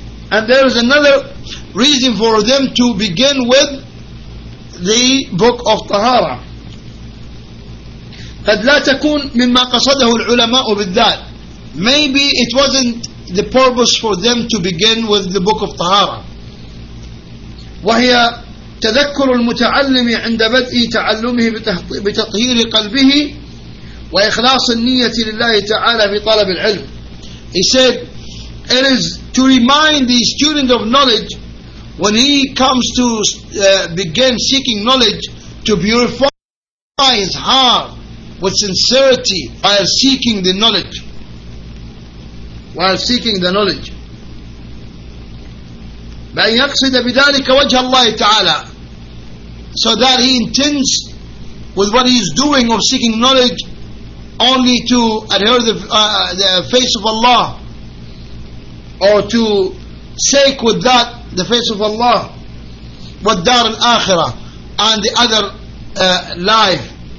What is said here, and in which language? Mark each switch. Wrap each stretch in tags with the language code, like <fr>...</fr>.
<en>And there is another reason for them to begin with the book of طهارة.</en> <ar>قد لا تكون مما قصده العلماء بالذات.</ar> <en>Maybe it wasn't the purpose for them to begin with the book of طهارة.</en> <ar>وهي تذكر المتعلم عند بدء تعلمه بتطهير قلبه وإخلاص النية لله تعالى في طلب العلم.</ar> <en>He said, it is to remind the student of knowledge when he comes to begin seeking knowledge to purify his heart with sincerity by seeking the knowledge. while seeking the knowledge.</en> <ar>بأن يقصد بذلك وجه الله تعالى.</ar> <en>So that he intends with what he is doing of seeking knowledge only to adhere the face of Allah, or to seek with that the face of Allah,</en> <ar>والدار الآخرة,</ar> <en>and the other life.</en>